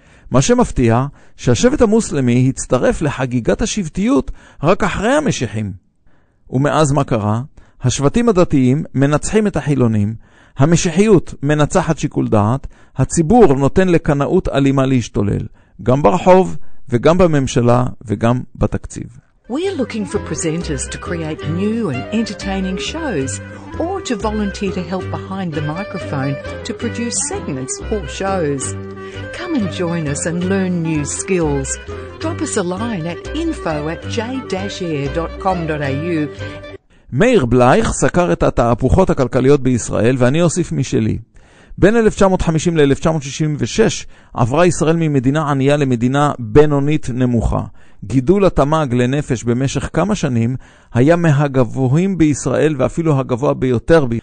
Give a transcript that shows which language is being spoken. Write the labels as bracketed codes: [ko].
[he] מה שמפתיע, שהשבט המוסלמי הצטרף לחגיגת השבטיות רק אחרי המשיחים. ומאז מה קרה? השבטים הדתיים מנצחים את החילונים, המשיחיות מנצחת שיקול דעת, הציבור נותן לקנאות אלימה להשתולל, גם ברחוב וגם בממשלה וגם בתקציב. [en] We're looking for presenters to create new and entertaining shows or to volunteer to help behind the microphone to produce segments or shows. Come and join us and learn new skills. Drop us a line at info@j-air.com.au. [he] מאיר בלייך סקר את התהפוכות הכלכליות בישראל, ואני אוסיף משלי. בין 1950 ל-1966 עברה ישראל ממדינה ענייה למדינה בינונית נמוכה. גידול התמ"ג לנפש במשך כמה שנים היה מהגבוהים בישראל ואפילו הגבוה ביותר.